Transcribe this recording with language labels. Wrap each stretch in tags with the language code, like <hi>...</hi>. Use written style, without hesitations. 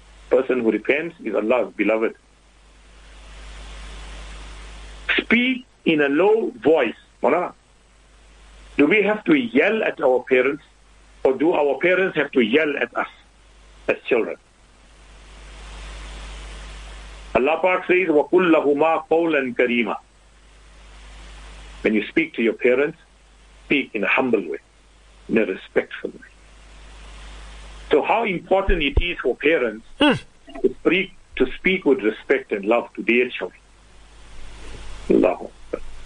<en>Person who repents is Allah's beloved. Speak in a low voice, Maulana. Do we have to yell at our parents? Or do our parents have to yell at us as children? Allah Pak says,</en> <ar>وَقُلْ لَهُمَا قَوْلًا كَرِيمًا.</ar> <en>When you speak to your parents, speak in a humble way, in a respectful way. So how important it is for parents to speak with respect and love to their children. Allahu Akbar.</en>